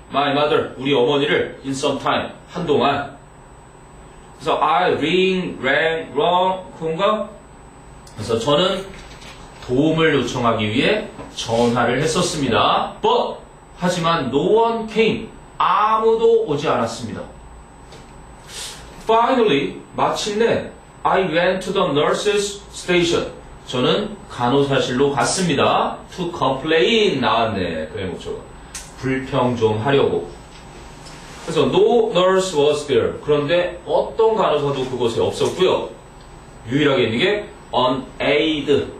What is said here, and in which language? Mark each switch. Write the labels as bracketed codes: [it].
[en] My mother, [ko] 우리 어머니를 [en] in some time, [ko] 한동안. 그래서 [en] I ring, rang, rung, [ko] 그런가? 그래서 저는 도움을 요청하기 위해 전화를 했었습니다. [en] But, [ko] 하지만 [en] no one came. [ko] 아무도 오지 않았습니다. [en] Finally, [ko] 마침내 [en] I went to the nurse's station. [ko] 저는 간호사실로 갔습니다. [en] To complain [ko] 나왔네. 그의 목적은 불평 좀 하려고. 그래서 [en] no nurse was there. [ko] 그런데 어떤 간호사도 그곳에 없었고요. 유일하게 있는 게 [en] an aide.